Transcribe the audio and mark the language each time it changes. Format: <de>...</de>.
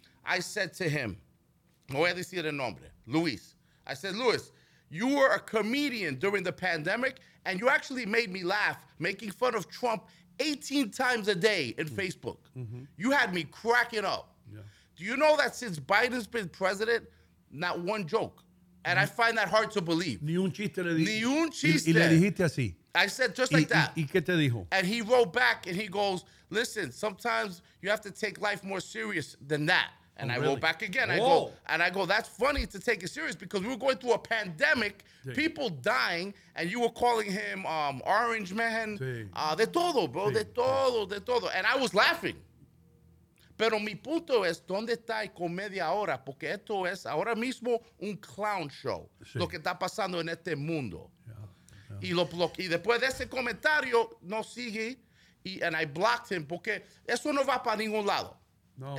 <en>I said to him,</en> <es>no voy a decir el nombre,</es> <en>Luis. I said, Luis, you were a comedian during the pandemic, and you actually made me laugh making fun of Trump 18 times a day in Facebook. You had me cracking up. Yeah. Do you know that since Biden's been president, not one joke? And I find that hard to believe.</en> <es>Ni un chiste le dijiste. Ni un chiste. Y le dijiste así.</es> <en>I said, just like that.</en> <es>¿Y qué te dijo?</es> <en>And he wrote back and he goes, listen, sometimes you have to take life more serious than that. And oh, I really? Wrote back again. Whoa. I go, that's funny to take it serious because we were going through a pandemic, sí. People dying, and you were calling him Orange Man.</en> <es>Sí. De todo, bro. Sí. De todo, de todo.</es> <en>And I was laughing.</en> <es>Pero mi punto es, ¿dónde está la comedia ahora? Porque esto es ahora mismo un clown show, sí. Lo que está pasando en este mundo.</es> <en>Yeah.</en> <es>Y después de ese comentario, no sigue.</es> <en>and I blocked him</en> <es>porque eso no va para ningún lado. No.</es>